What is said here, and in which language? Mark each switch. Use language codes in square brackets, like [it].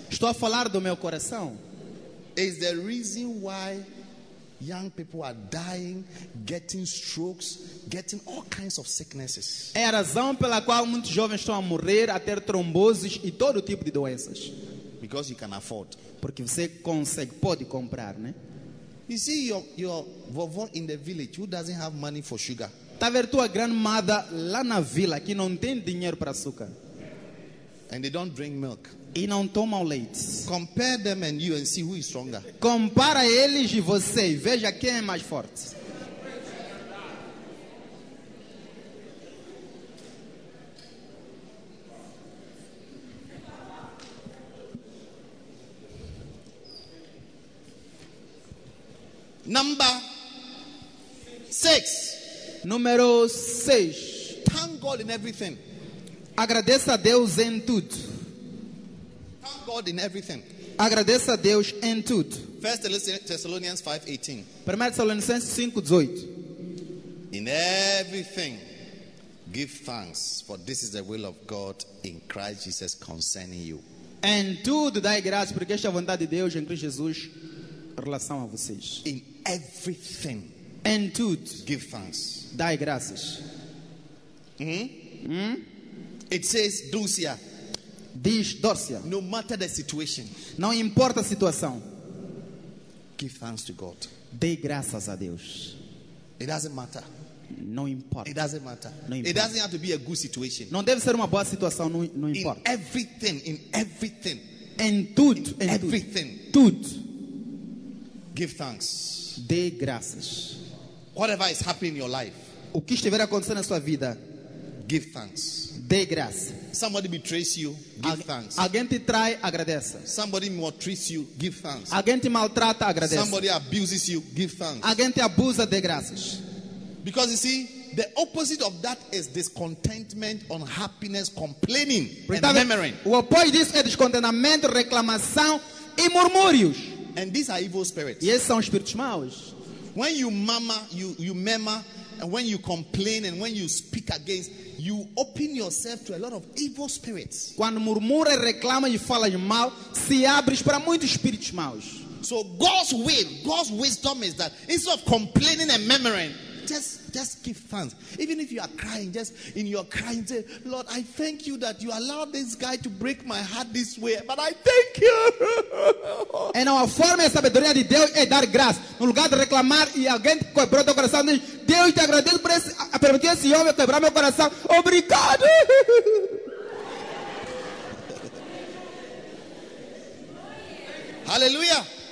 [pt] Estou a falar do meu coração. [en] Is the reason why young people are dying, getting strokes, getting all kinds of sicknesses. [pt] É a razão pela qual muitos jovens estão a morrer, a ter tromboses e todo tipo de doenças. [en] Because you can afford. [pt] Porque você consegue, pode comprar, né? [en] You see your vovó in the village who doesn't have money for sugar. [pt] Tá a ver tua grandmada lá na vila que não tem dinheiro para açúcar. [en] And they don't drink milk. [pt] E não tomam leite. [en] Compare them and you and see who is stronger. [pt] Compara eles e você e veja quem é mais forte. [en] Number 6. [pt] Número 6. [en] Thank God in everything. [pt] Agradeça a Deus em tudo. [en] Thank God in everything. [pt] Agradeça a Deus em tudo. [en] 1 Thessalonians 5:18. 1 Thessalonians 5:18. In everything, give thanks, for this is the will of God in Christ Jesus concerning you. [pt] Em tudo dai graças, porque esta é a vontade de Deus em Cristo Jesus em relação a vocês. [en] In everything, [pt] em tudo, [en] give thanks, [pt] dai graças. [en] It says Dúcia. [pt] Diz Dúcia. [en] No matter the situation. [pt] Não importa a situação. [en] Give thanks to God. [pt] Dê graças a Deus. [en] It doesn't matter. [pt] Não importa. [en] It doesn't matter. [pt] Não importa. [en] It doesn't have to be a good situation. [pt] Não deve ser uma boa situação. Não importa. [en] In everything. [pt] Em tudo. [en] In everything. [pt] Tudo. [en] Give thanks. [pt] Dê graças. [en] Whatever is happening in your life. [pt] O que estiver acontecendo na sua vida. [en] Give thanks. [pt] Dê graça. [en] Somebody betrays you, give thanks. [pt] Alguém te trai, agradeça. [en] Somebody maltreats you, give thanks. [pt] Alguém te maltrata, agradeça. [en] Somebody abuses you, give thanks. [pt] Alguém te abusa, dê graças. [en] Because you see, the opposite of that is discontentment, unhappiness, complaining, and murmuring. [pt] O oposto disso é descontentamento, reclamação e murmúrios. [en] And these are evil spirits. [pt] E esses são espíritos maus. [en] When you murmur, you murmur. And when you complain and when you speak against, you open yourself to a lot of evil spirits. [pt] Quando murmura, reclama e fala de mal, se abres para muitos espíritos maus. [en] So God's will, God's wisdom is that instead of complaining and murmuring, just give thanks. Even if you are crying, just in your crying, say, Lord, I thank you that you allowed this guy to break my heart this way, but I thank you. [pt] É uma forma de sabedoria de Deus é dar graça. No lugar de reclamar e alguém quebrou teu coração, diz, Deus, te agradeço por permitir esse homem quebrar meu coração. Obrigado. Aleluia.